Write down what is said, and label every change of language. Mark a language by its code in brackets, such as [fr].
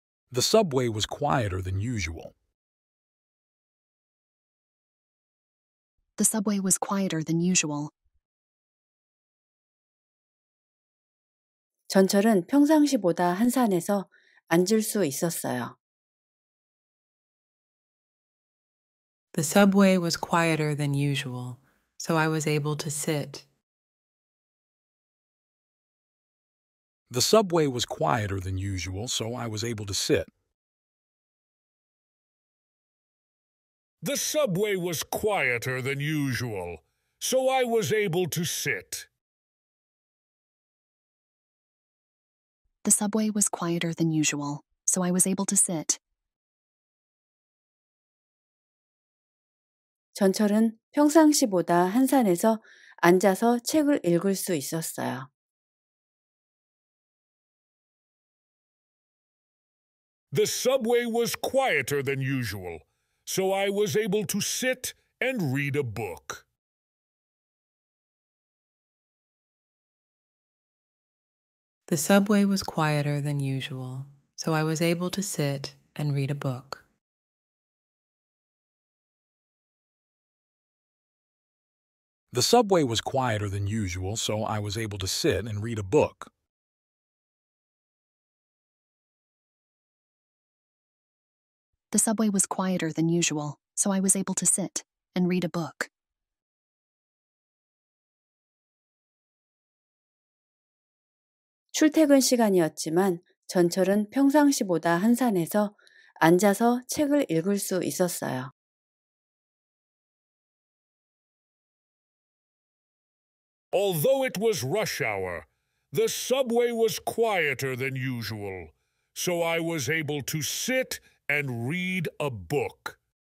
[en] The subway was quieter than usual. The subway was quieter than usual. [ko] 전철은 평상시보다 한산해서 앉을 수 있었어요. [en] The subway was quieter than usual, so I was able to sit. The subway was quieter than usual, so I was able to sit. The subway was quieter than usual, so I was able to sit. The subway was quieter than usual, so I was able to sit. [ko] 전철은 평상시보다 한산해서 앉아서 책을 읽을 수 있었어요. [en] The subway was quieter than usual, so I was able to sit and read a book. The subway was quieter than usual, so I was able to sit and read a book. The subway was quieter than usual, so I was able to sit and read a book. The subway was quieter than usual, so I was able to sit and read a book. � [ko] 출퇴근 시간이었지만 전철은 평상시보다 한산해서 앉아서 책을 읽을 수 있었어요. [en] Although it was rush hour, the subway was quieter than usual, so I was able to sit and read a book.